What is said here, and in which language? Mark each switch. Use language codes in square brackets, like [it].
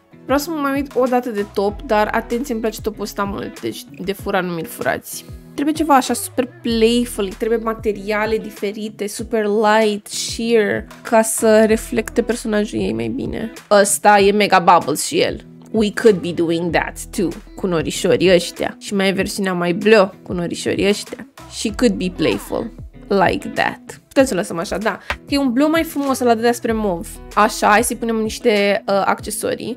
[ro] Vreau să mă mai uit o dată de top, dar atenție, îmi place topul ăsta mult, deci de fura nu mi-l furați. Trebuie ceva așa super playful, trebuie materiale diferite, super light, sheer, ca să reflecte personajul ei mai bine. Ăsta e mega bubbles și el. [en] We could be doing that too, [ro] cu norișorii ăștia. Și mai e versiunea mai bleu cu norișorii ăștia. [en] She could be playful, like that. [ro] Putem să lăsăm așa, da. Că e un blu mai frumos, ăla de deaspre mov. Așa, hai să-i punem niște accesorii.